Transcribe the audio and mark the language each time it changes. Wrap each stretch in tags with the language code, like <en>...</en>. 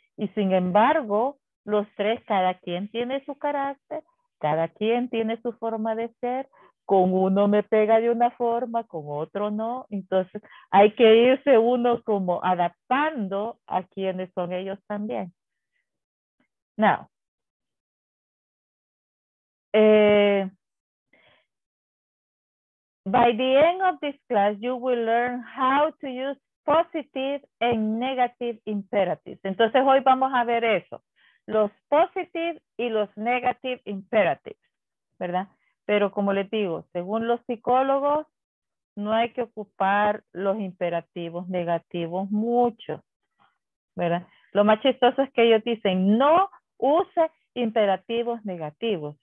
<es>Y sin embargo, los tres, cada quien tiene su carácter, cada quien tiene su forma de ser. Con uno me pega de una forma, con otro no. Entonces hay que irse uno como adaptando a quienes son ellos también.</es> <en>Now, by the end of this class, you will learn how to use positive and negative imperatives.</en> <es>Entonces hoy vamos a ver eso, los</es> <en>positive</en> <es>y los</es> <en>negative imperatives,</en> <es>¿verdad? Pero como les digo, según los psicólogos, no hay que ocupar los imperativos negativos mucho, ¿verdad? Lo más chistoso es que ellos dicen, no use imperativos negativos.</es>